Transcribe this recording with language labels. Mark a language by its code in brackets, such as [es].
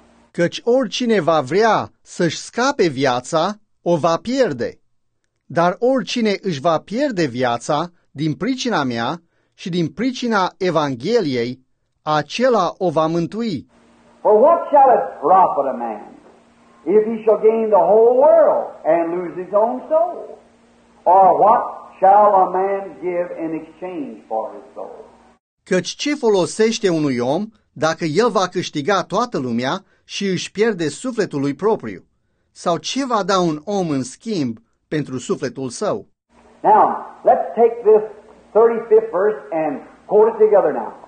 [ro] Căci oricine va vrea să-și scape viața, o va pierde. Dar oricine își va pierde viața din pricina mea și din pricina Evangheliei, acela o va mântui. [en] For what shall it profit a man if he shall gain the whole world and lose his own soul? Or what shall a man give in exchange for his soul? [ro] Căci ce folosește unui om dacă el va câștiga toată lumea și își pierde sufletul lui propriu? Sau ce va da un om în schimb pentru sufletul său? [en] Now, let's take this 35th verse and quote it together now.